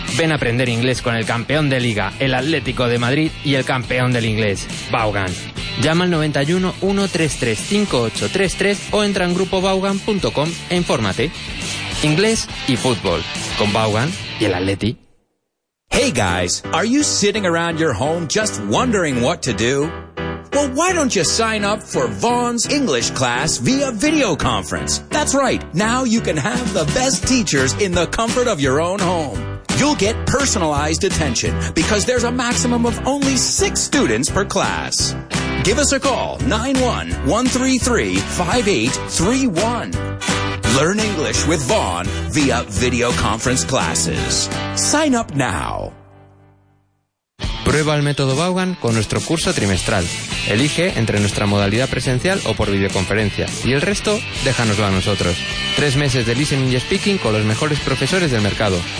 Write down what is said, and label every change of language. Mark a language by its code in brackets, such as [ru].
[es] Ven a aprender inglés con el campeón de liga, el Atlético de Madrid, y el campeón del inglés, Vaughan. Llama al 91-133-5833 o entra en grupovaughan.com e infórmate. Inglés y fútbol con Vaughan y el Atleti. [en] Hey guys, are you sitting around your home just wondering what to do? Well, why don't you sign up for Vaughn's English class via video conference? That's right, now you can have the best teachers in the comfort of your own home. You'll get personalized attention because there's a maximum of only 6 students per class. Give us a call, 91-133-5831. Learn English with Vaughn via video conference classes. Sign up now. [es] Prueba el método Vaughan con nuestro curso trimestral. Elige entre nuestra modalidad presencial o por videoconferencia. Y el resto, déjanoslo a nosotros. 3 meses de listening y speaking con los mejores profesores del mercado.